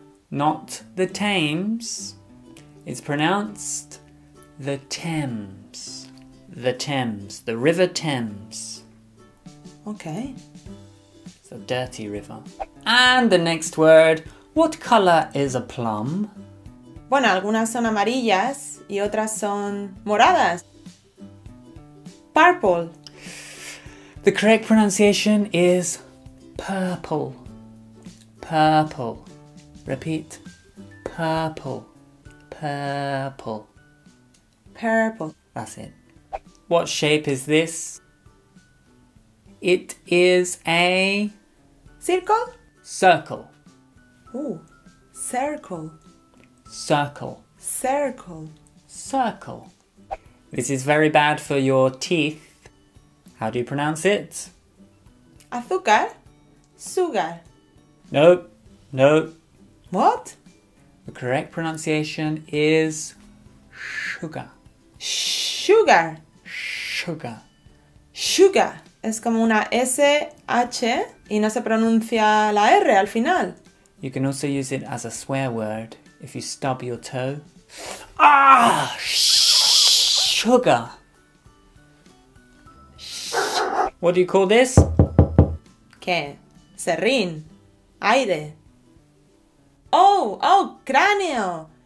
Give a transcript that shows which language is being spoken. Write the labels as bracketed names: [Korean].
[English] Not the Thames. It's pronounced the Thames. The Thames. The River Thames. Okay. It's a dirty river. And the next word, what color is a plum? [Spanish] Bueno, algunas son amarillas y otras son moradas. [English] Purple. The correct pronunciation is purple. Purple. Repeat. Purple. Purple. Purple. That's it. What shape is this? It is a... Circle? Circle. Ooh. Circle. Circle. Circle. Circle. This is very bad for your teeth. How do you pronounce it? [Spanish] Azúcar. Sugar. [English] Nope. Nope. What? The correct pronunciation is sugar. Sugar. Sugar. Sugar. [Spanish] Es como una SH y no se pronuncia la R al final. [English] You can also use it as a swear word if you stub your toe. Ah! Sugar. What do you call this? [Spanish] ¿Qué? Serrín. Aire. Oh, cráneo.